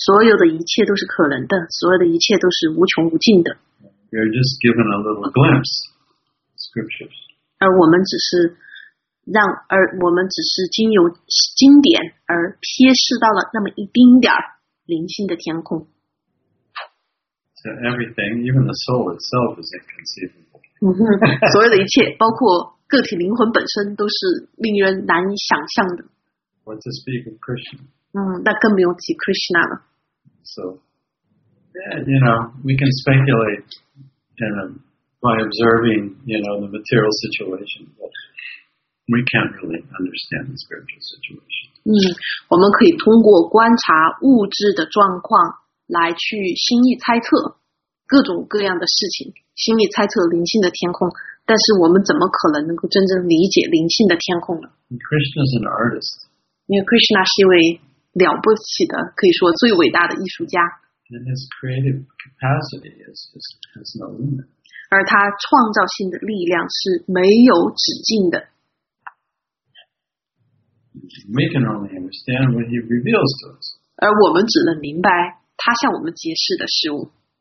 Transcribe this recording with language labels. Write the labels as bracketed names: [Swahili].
[Chinese] 所有的一切都是可能的，所有的一切都是无穷无尽的。 [English] You're just given a little glimpse, scriptures. [Chinese] 而我们只是经由经典而瞥视到了那么一丁点儿灵性的天空。 [English] So everything, even the soul itself, is inconceivable. [Chinese] 所有的一切，包括个体灵魂本身都是令人难以想象的。 [English] What to speak of Krishna? [Chinese] 那更没有提 Krishna 了。 [English] So, yeah, you know, we can speculate by observing, you know, the material situation, but we can't really understand the spiritual situation. [Chinese] 我们可以通过观察物质的状况来去心意猜测各种各样的事情，心意猜测灵性的天空。但是我们怎么可能能够真正理解灵性的天空呢？ [English] Krishna is an artist. [Chinese] 因为 Krishna 是一位了不起的，可以说最伟大的艺术家。 [English] And his creative capacity is no limit. [Chinese] 而他创造性的力量是没有止境的。 [English] We can only understand what he reveals to us. [Chinese] 而我们只能明白他向我们揭示的事物。